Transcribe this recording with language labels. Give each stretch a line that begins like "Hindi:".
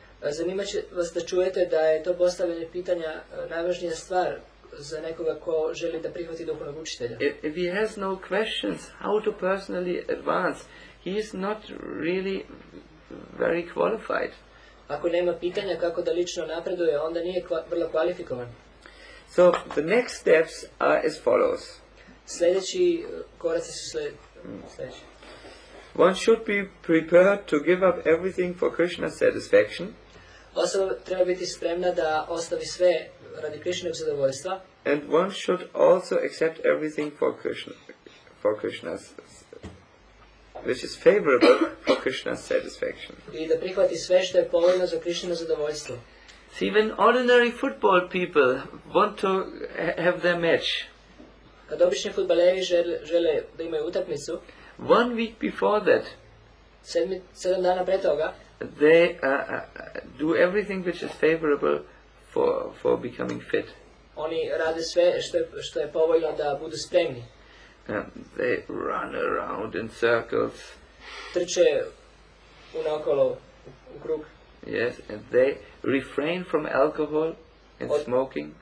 Serbian: Zanimaće vas da čujete da je to postavljanje pitanja najvažnija stvar za nekoga ko želi da prihvati duhovnog učitelja.
English: If he has no questions how to personally advance, he is not really very qualified.
Serbian: Ako nema pitanja kako da lično napreduje, onda nije vrlo kvalifikovan.
English: So the next steps are as follows.
Serbian: Sljedeći koraci su sljedeći.
English: One should be prepared to give up everything for Krishna's satisfaction.
Serbian: Osoba treba biti spremna da ostavi sve radi Krišnjeg zadovoljstva.
English: And one should also accept everything for Krishna's, which is favorable for Krishna's satisfaction.
Serbian: I da prihvati sve što je povoljno za Krišnjeg zadovoljstvo.
English: See, even ordinary football people want to have their match.
Serbian: Kad obični futbaleri žele da imaju utakmicu.
English: One week before that.
Serbian: Sedam dana pre toga.
English: They do everything which is favorable for becoming fit.
Serbian: Oni rade sve što je povoljno da budu spremni.
English: They run around in circles.
Serbian: Trče unaokolo u krug.
English: Yes, and they refrain from alcohol and smoking.